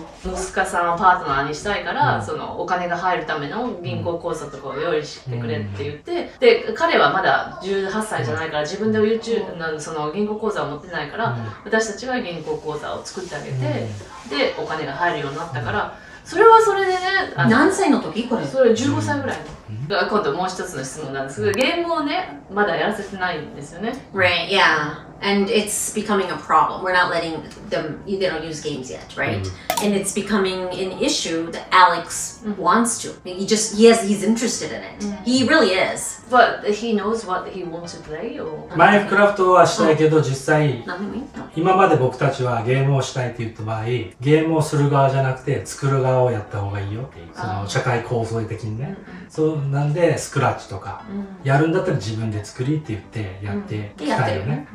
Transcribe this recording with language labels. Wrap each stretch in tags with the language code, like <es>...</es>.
<ja>息子さんをパートナーにしたいからそのお金が入るための銀行口座とかを用意してくれって言ってで彼はまだ18歳じゃないから自分で YouTube のその銀行口座を持ってないから私たちが銀行口座を作ってあげてでお金が入るようになったからそれはそれでね、何歳の時これ？それ15歳ぐらいの。今度もう一つの質問なんですけど、ゲームをね、まだやらせてないんですよね。</ja> <en>Right, yeah. And it's becoming a problem. We're not letting them, they don't use games yet, right? And it's becoming an issue that Alex wants to. He's interested in it. He really is. But he knows what he wants to play or...</en> <ja>Minecraft はしたいけど実際、今まで僕たちはゲームをしたいって言った場合、ゲームをする側じゃなくて作る側をやった方がいいよっていう、その社会構造的にね。そうなんでスクラッチとかやるんだったら自分で作りって言ってやってきたよね。</ja>